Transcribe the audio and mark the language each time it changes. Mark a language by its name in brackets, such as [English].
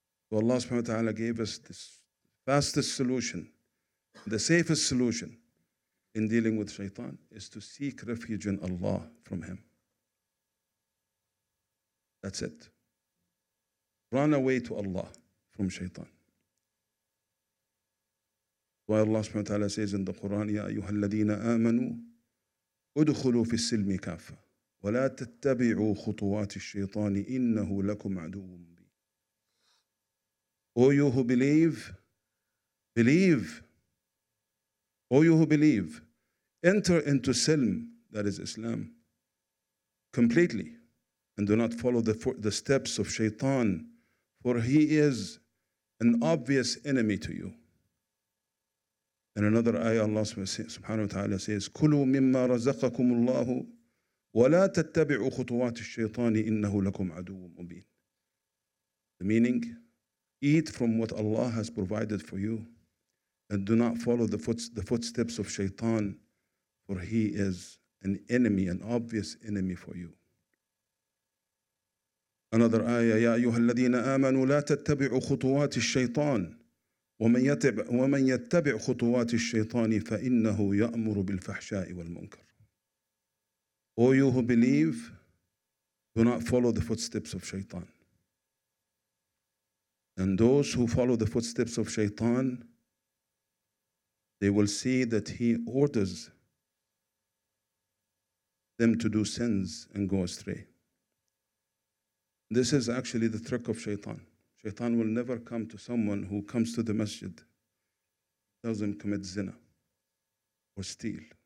[English] So Allah subhanahu wa ta'ala gave us this fastest solution, the safest solution in dealing with Shaitan is to seek refuge in Allah from him. That's it. Run away to Allah from Shaitan. Why Allah subhanahu wa ta'ala says in the Quran, [Arabic] يَا أَيُّهَا الَّذِينَ آمَنُوا أُدْخُلُوا فِي السِّلْمِ كَافَّةً وَلَا تَتَّبِعُوا خُطُوَاتِ الشَّيْطَانِ إِنَّهُ لَكُمْ عَدُوٌ مُّبِينٌ. [English] O you who believe, O you who believe, enter into Silm, that is Islam, completely, and do not follow the steps of Shaitan, for he is an obvious enemy to you. In another ayah, Allah subhanahu wa ta'ala says, [Arabic] كُلُوا مِمَّا رَزَقَكُمُ اللَّهُ وَلَا تَتَّبِعُوا خُطُوَاتِ الشَّيْطَانِ إِنَّهُ لَكُمْ عَدُوٌ مُبِينٌ. [English] The meaning, eat from what Allah has provided for you, and do not follow the footsteps of Shaitan, for he is an enemy, an obvious enemy for you. [Arabic] Another ayah, يَا أَيُّهَا الَّذِينَ آمَنُوا لَا تَتَّبِعُوا خُطُوَاتِ الشَّيْطَانِ وَمَنْ يَتَّبِعُ خُطُوَاتِ الشَّيْطَانِ فَإِنَّهُ يَأْمُرُ بِالْفَحْشَاءِ وَالْمُنْكَرِ. [English] O you who believe, do not follow the footsteps of Shaitan. And those who follow the footsteps of Shaitan, they will see that he orders them to do sins and go astray. This is actually the trick of Shaitan. Shaitan will never come to someone who comes to the masjid, tells him commit zina or steal.